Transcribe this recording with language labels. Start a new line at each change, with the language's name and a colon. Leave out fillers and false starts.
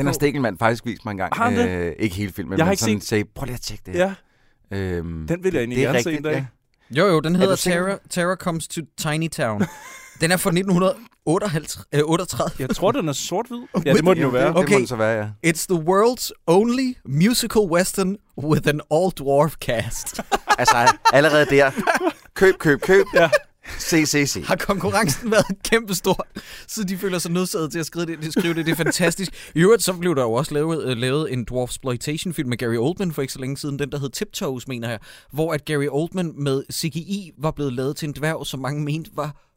Danish: Den har Stikkelmand faktisk vist mig en gang. Har han det? Ikke hele filmen, jeg men ikke sådan set... sagde, prøv lige at tjekke det. Ja. Den vil jeg egentlig gerne se en dag. Ja. Jo, den hedder Terror Comes to Chinatown. Den er fra 1938. Jeg tror, den er sort-hvid. Ja, det må den jo være. Okay. Det må den så være, ja.
English: It's the world's only musical western with an all-dwarf cast.
Danish: Altså, allerede der. Køb, køb, køb. Ja. Se, se, se. Har konkurrencen været kæmpestor, så de føler sig nødsaget til at skrive det. Det er fantastisk. I øvrigt, så blev der jo også lavet en dwarfsploitation-film med Gary Oldman for ikke så længe siden. Den, der hed Tiptoes, mener jeg. Hvor at Gary Oldman med CGI var blevet lavet til en dværg, som mange mente var...